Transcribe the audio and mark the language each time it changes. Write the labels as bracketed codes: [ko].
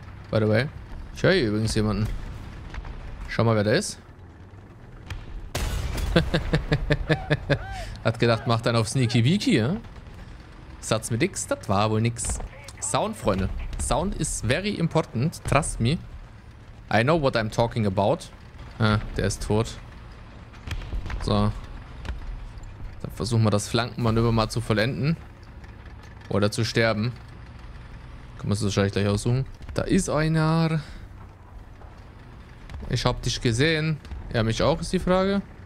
[en] By the way. [de] Ich höre hier übrigens jemanden. Schau mal, wer da ist. Hat gedacht, macht einen auf Sneaky Weeky, ja? Satz mit X, das war wohl nix. Sound, Freunde. [en] Sound is very important. Trust me. I know what I'm talking about. [de] Ah, der ist tot. So. Dann versuchen wir das Flankenmanöver mal zu vollenden. Oder zu sterben. Kann man es wahrscheinlich gleich aussuchen. Da ist einer. Ich hab dich gesehen. Ja, mich auch, ist die Frage.